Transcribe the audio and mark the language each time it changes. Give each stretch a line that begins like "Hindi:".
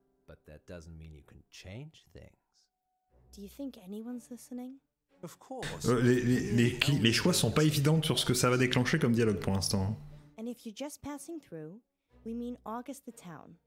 English: But that doesn't mean you can change things. Do you think anyone's listening? Of course.
French: Les choix sont pas évidents sur ce que ça va déclencher comme dialogue pour l'instant.
English: And if you're just passing through, we mean August the town.